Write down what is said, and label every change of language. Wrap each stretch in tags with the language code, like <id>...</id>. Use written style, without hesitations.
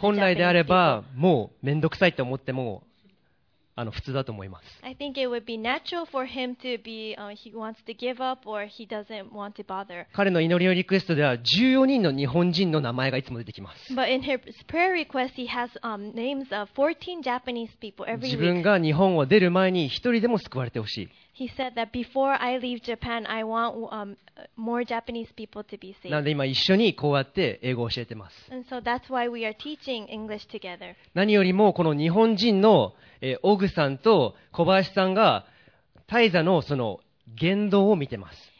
<ja>本来であれば、もうめんどくさいと思っても、普通だと思います。</ja> <en>I think it would be natural for him to be, he wants to give up or he doesn't want to bother.</en> <ja>彼の祈りのリクエストでは14人の日本人の名前がいつも出てきます。</ja> <en>But in his prayer request, he has names of 14 Japanese people every week.</en> <ja>自分が日本を出る前に一人でも救われてほしい。</ja> <en>He said that before I leave Japan, I want more Japanese people to be saved.</en> <ja>なので今一緒にこうやって英語を教えてます。</ja> <en>And so that's why we are teaching English together.</en> <ja>何よりもこの日本人のオグさんと小林さんがタイザのその言動を見てます。</ja>